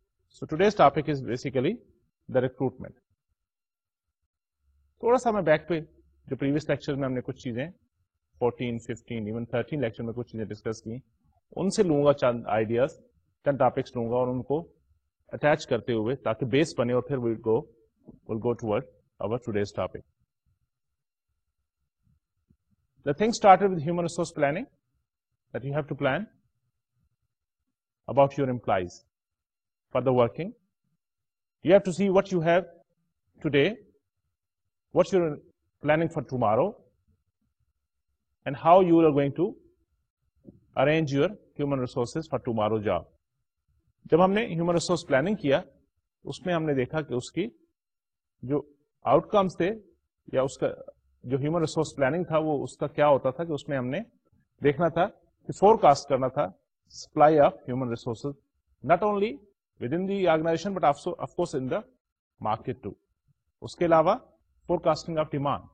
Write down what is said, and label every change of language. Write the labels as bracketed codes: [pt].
[en] So today's topic is basically the recruitment. [ur] تھوڑا سا میں بیک پہ جو پریویس لیکچر میں ہم نے کچھ چیزیں 14, 15, ایون 13 لیکچر میں کچھ چیزیں ڈسکس کی، ان سے لوں گا چند آئیڈیاز، چند ٹاپکس لوں گا اور ان کو اٹیچ کرتے ہوئے تاکہ بیس بنے اور پھر [en] Will go toward اور today's topic. The thing started with human resource planning that you have to plan about your employees for the working. You have to see what you have today, what your planning for tomorrow, and how you are going to arrange your human resources for tomorrow job. [ur] جب ہم نے human resource planning کیا اس میں ہم نے دیکھا کہ اس کی جو آؤٹ کمس تھے یا اس کا جو ہیومن ریسورس پلاننگ تھا وہ اس کا کیا ہوتا تھا، کہ اس میں ہم نے دیکھنا تھا کہ فور کاسٹ کرنا تھا [en] supply of human resources not only within the organisation but also of course in the market too, [ur] اس کے علاوہ فور کاسٹنگ آف ڈیمانڈ.